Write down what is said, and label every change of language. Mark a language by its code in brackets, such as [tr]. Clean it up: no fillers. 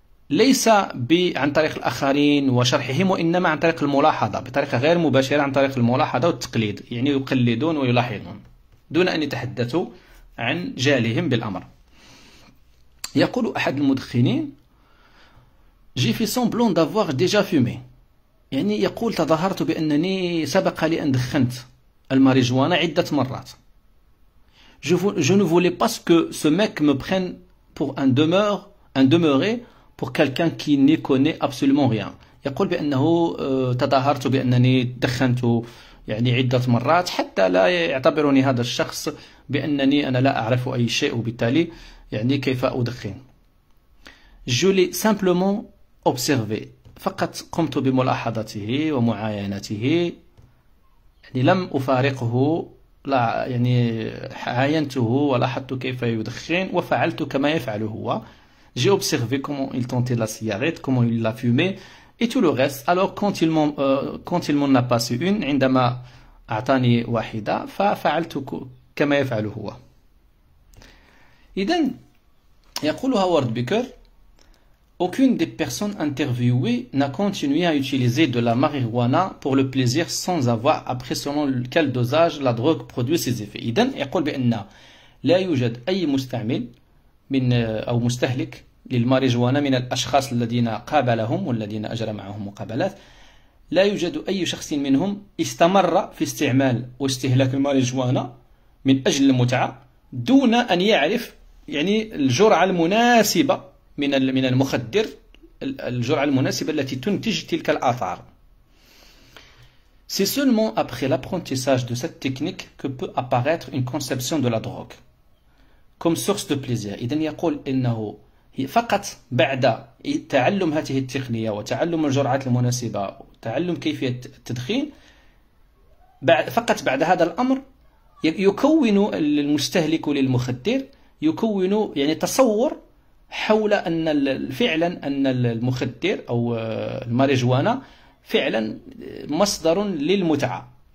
[ar] ليس عن طريق الآخرين وشرحهم، وإنما عن طريق الملاحظة بطريقة غير مباشرة، عن طريق الملاحظة والتقليد، يعني يقلدون ويلاحظون دون أن يتحدثوا عن جهلهم بالأمر. يقول أحد المدخنين: [fr] جي في سومبلون دافواغ ديجا فومي، [ar] يعني يقول تظاهرت بأنني سبق لي أن دخنت الماريجوانا عدة مرات. [fr] Je ne voulais pas que ce mec me prenne pour un demeuré pour quelqu'un qui n'y connaît absolument rien. [ar] يقول بأنه تظاهرت بأنني دخنت يعني عدة مرات حتى لا يعتبرني هذا الشخص بأنني أنا لا أعرف أي شيء، وبالتالي يعني كيف أدخن. [fr] Je l'ai simplement observé. [ar] فقط قمت بملاحظته ومعاينته، يعني لم أفارقه، لا يعني عاينته ولاحظت كيف يدخن وفعلت كما يفعل هو. [fr] J'ai observé comment il tentait la cigarette, comment il la fumait et tout le reste. Alors quand il m'en a passé une, [ar] عندما أعطاني واحدة، ففعلت كما يفعل هو. إذن يقول هوارد بيكر: [fr] Aucune des personnes interviewées n'a continué à utiliser de la marijuana pour le plaisir sans avoir appris selon quel dosage la drogue produit ses effets. [ar] إذن يقول بأن لا يوجد أي مستعمل من أو مستهلك للماريجوانا من الأشخاص الذين قابلهم والذين أجرى معهم مقابلات، لا يوجد أي شخص منهم استمر في استعمال واستهلاك الماريجوانا من أجل المتعة دون أن يعرف يعني الجرعة المناسبة من المخدر، الجرعة المناسبة التي تنتج تلك الآثار. [fr] C'est seulement après l'apprentissage de cette technique que peut apparaître une conception de la drogue comme source de plaisir. [ar] إذا يقول إنه فقط بعد تعلم هذه التقنية وتعلم الجرعات المناسبة وتعلم كيفية التدخين، فقط بعد هذا الأمر يكون المستهلك للمخدر يكون يعني تصور حول أن فعلا أن المخدر أو الماريجوانا فعلا مصدر للمتعة.